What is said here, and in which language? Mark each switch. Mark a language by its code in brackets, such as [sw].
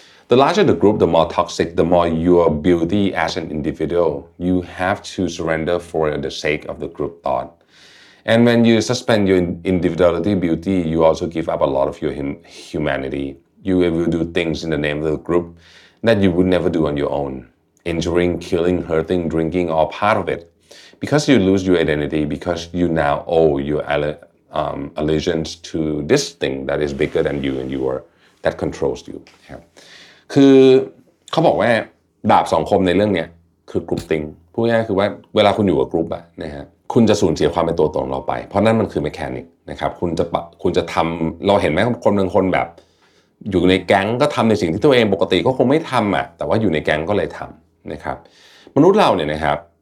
[en] the larger the group the more toxic the more your beauty as an individual you have to surrender for the sake of the group thought and when you suspend your individuality beauty you also give up a lot of your humanity you will do things in the name of the group that you would never do on your owninjuring, killing, hurting, drinking, or part of it. Because you lose your identity, because you now owe your allegiance to this thing that is bigger than you and your, that controls you. [th] คือเขาบอกว่าดาบสองคมในเรื่องนี้คือกรุ๊ปติ้งพูดง่ายคือว่าเวลาคุณอยู่กับกรุ๊ปอะนะฮะคุณจะสูญเสียความเป็นตัวตนเราไปเพราะนั่นมันคือแมคานิกนะครับคุณจะทำเราเห็นไหมคนบางคนแบบอยู่ในแก๊งก็ทำในสิ่งที่ตัวเองปกติก็คงไม่ทำอะแต่ว่าอยู่ในแก๊งก็เลยทำนะครับมนุษย์เราเนี่ยนะครับ